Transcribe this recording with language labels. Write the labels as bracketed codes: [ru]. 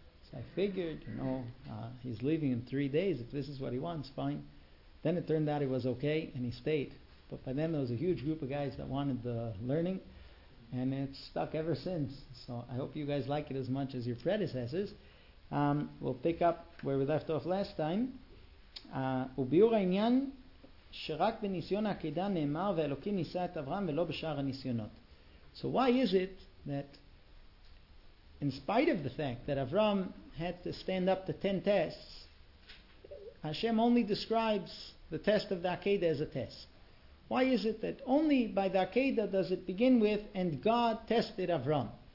[en] So I figured, you know, he's leaving in 3 days. If this is what he wants, fine. Then it turned out he was okay and he stayed. But by then there was a huge group of guys that wanted the learning, and it's stuck ever since. So I hope you guys like it as much as your predecessors. We'll pick up where we left off last time. [he] וביור העניין שרק בניסיון העקידה נאמר ואלוקים ניסה את אברהם ולא בשאר הניסיונות. [en] So why is it that in spite of the fact that Avram had to stand up to 10 tests, Hashem only describes the test of the Akedah as a test? Why is it that only by the Akedah does it begin with "and God tested Avram"?